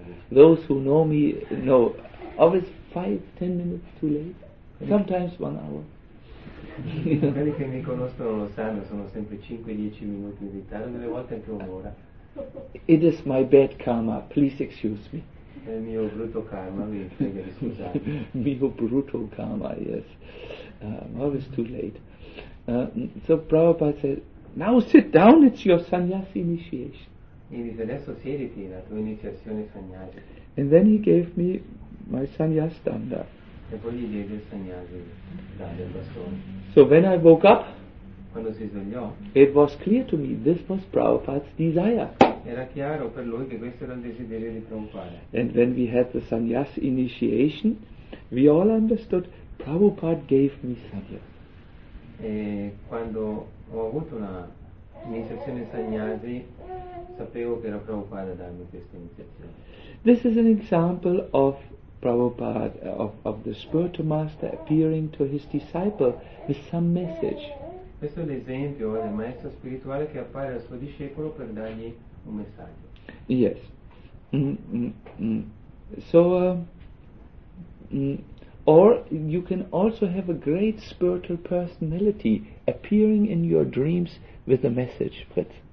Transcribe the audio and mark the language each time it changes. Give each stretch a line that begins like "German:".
English: Those who know me know, always 5-10 minutes too late. Sometimes 1 hour.
Italian: Quelli che mi conoscono lo sanno, sono sempre 5-10 minuti in ritardo, delle volte anche un'ora.
English: It is my bad karma. Please excuse me.
Italian: È il mio brutto karma, mi prego di scusarmi. Mio brutto karma,
English: yes. Always too late. So Prabhupada said, now sit down, it's your sannyasi initiation.
Italian: E dice, adesso siediti, la tua iniziazione sannyasi.
English: And then he gave me my sannyas danda.
Italian: E poi gli diede il sannyasi danda, il bastone.
English: So when I woke up,
Italian: quando si svegliò,
English: it was clear to me, this was Prabhupada's desire.
Italian: Era chiaro per lui che questo era il desiderio di Prabhupada.
English: And when we had the sannyas initiation, we all understood Prabhupada gave me sannyas.
Italian: E quando ho avuto una iniziazione sannyasi, sapevo che era Prabhupada a darmi questa iniziazione.
English: This is an example of Prabhupada, of the spiritual master appearing to his disciple with some message.
Italian: Questo è l'esempio del maestro spirituale che appare al suo discepolo per dargli un messaggio.
English: Yes. Or you can also have a great spiritual personality appearing in your dreams with a message, Fritz.